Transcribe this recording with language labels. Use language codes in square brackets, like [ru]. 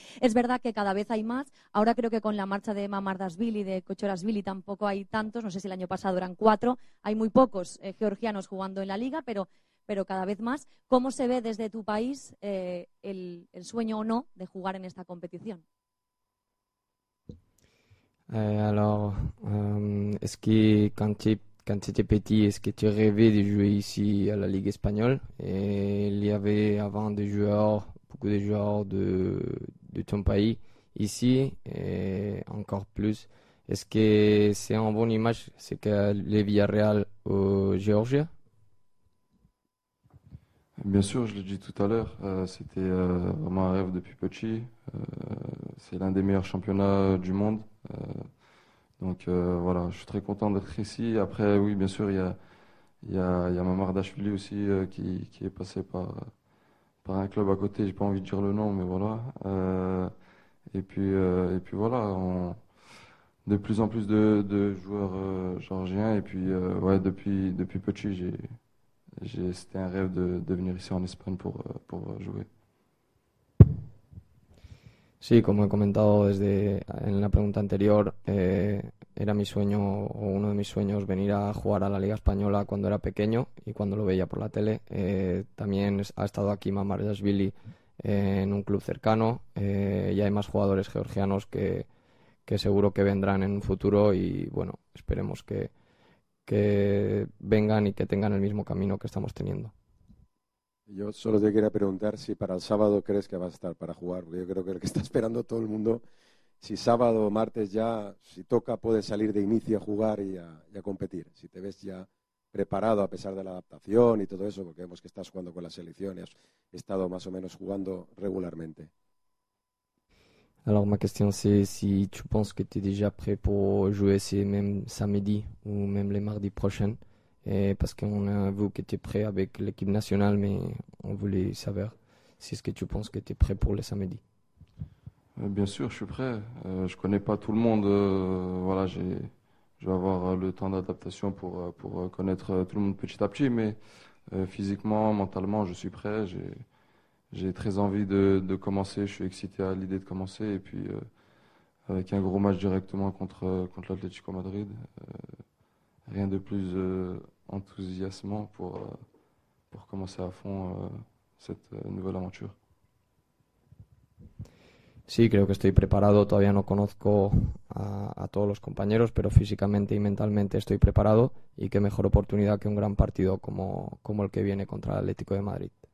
[es] Es verdad que cada vez hay más. Ahora creo que con la marcha de Mamardashvili, de Kochorashvili, tampoco hay tantos. No sé si el año pasado eran 4. Hay muy pocos georgianos jugando en la Liga, pero cada vez más. ¿Cómo se ve desde tu país el sueño o no de jugar en esta competición? [fr] Est-ce que quand tu étais petit, est-ce que tu rêvais de jouer ici à la Ligue espagnole? Et il y avait avant des joueurs, beaucoup de joueurs de ton pays ici, et encore plus. Est-ce que c'est une bonne image, c'est que le Villarreal au Georgia? Bien sûr, je l'ai dit tout à l'heure, c'était vraiment un rêve depuis petit. C'est l'un des meilleurs championnats du monde. Donc, je suis très content d'être ici. Après, oui, bien sûr, il y a Mamardashvili aussi qui est passé par un club à côté. J'ai pas envie de dire le nom, mais voilà. Et puis, on, de plus en plus de joueurs georgiens. Et puis, ouais, depuis petit, c'était un rêve de venir ici en Espagne pour jouer. [es] Sí, como he comentado en la pregunta anterior, era mi sueño o uno de mis sueños venir a jugar a la Liga Española cuando era pequeño y cuando lo veía por la tele. También ha estado aquí Mamardashvili en un club cercano y hay más jugadores georgianos que seguro que vendrán en un futuro y bueno, esperemos que vengan y que tengan el mismo camino que estamos teniendo. Yo solo te quería preguntar si para el sábado crees que vas a estar para jugar, porque yo creo que lo que está esperando todo el mundo, si sábado o martes ya, si toca, puedes salir de inicio a jugar y a competir. Si te ves ya preparado a pesar de la adaptación y todo eso, porque vemos que estás jugando con la selección y has estado más o menos jugando regularmente. [fr] Alors ma question c'est si tu penses que tu es déjà prêt pour jouer ce même samedi ou même les mardis prochains. Et parce qu'on a vu que tu es prêt avec l'équipe nationale, mais on voulait savoir si ce que tu penses que tu es prêt pour le samedi. Bien sûr, je suis prêt. Je ne connais pas tout le monde. Voilà, je vais avoir le temps d'adaptation pour connaître tout le monde petit à petit. Mais physiquement, mentalement, je suis prêt. J'ai très envie de commencer. Je suis excité à l'idée de commencer. Et puis, avec un gros match directement contre l'Atlético Madrid. Rien de plus enthousiasmant pour commencer à fond cette nouvelle aventure. [es] Sí, creo que estoy preparado. Todavía no conozco a todos los compañeros, pero físicamente y mentalmente estoy preparado. Y qué mejor oportunidad que un gran partido como el que viene contra el Atlético de Madrid.